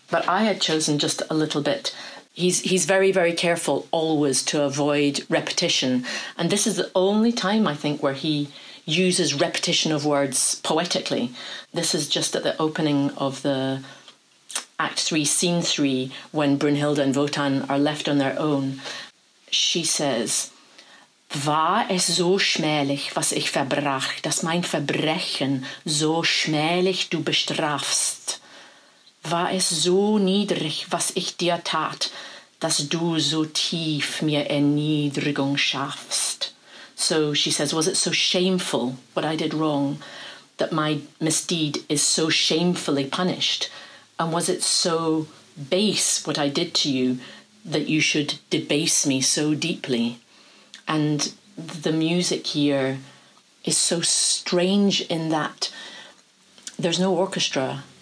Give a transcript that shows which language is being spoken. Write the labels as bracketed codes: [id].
[en] But I had chosen just a little bit. He's very, very careful always to avoid repetition. And this is the only time, I think, where he uses repetition of words poetically. This is just at the opening of the Act 3, Scene 3, when Brynhildr and Wotan are left on their own. [de] She says, War es so schmählich, was ich verbrach, dass mein Verbrechen so schmählich du bestrafst? War es so niedrig, was ich dir tat, dass du so tief mir Erniedrigung schaffst? [en] So she says, was it so shameful what I did wrong that my misdeed is so shamefully punished? And was it so base what I did to you that you should debase me so deeply? And the music here is so strange in that there's no orchestra.